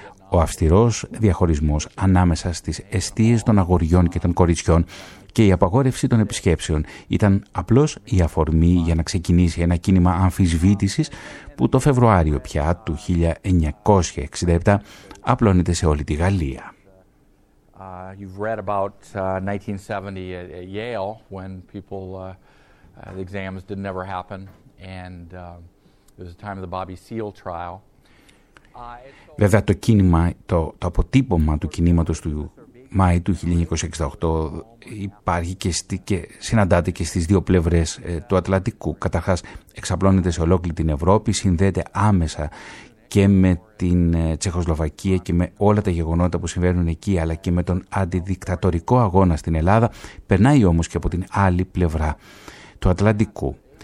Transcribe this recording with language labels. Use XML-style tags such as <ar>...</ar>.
<el>Ο αυστηρός διαχωρισμός ανάμεσα στις εστίες των αγοριών και των κοριτσιών και η απαγόρευση των επισκέψεων ήταν απλώς η αφορμή για να ξεκινήσει ένα κίνημα αμφισβήτησης που το Φεβρουάριο πια του 1967 απλώνεται σε όλη τη Γαλλία.</el> <en>You've read about 1970 at Yale when people the exams didn't ever happen and it was the time of the Bobby Seale trial.</en> <el>Βέβαια το κίνημα, το αποτύπωμα του κινήματος του Μάη του 1968 υπάρχει και συναντάται και στις δύο πλευρές του Ατλαντικού. Καταρχάς εξαπλώνεται σε ολόκληρη την Ευρώπη, συνδέεται άμεσα και με την Τσεχοσλοβακία και με όλα τα γεγονότα που συμβαίνουν εκεί, αλλά και με τον αντιδικτατορικό αγώνα στην Ελλάδα, περνάει όμως και από την άλλη πλευρά του Ατλαντικού.</el>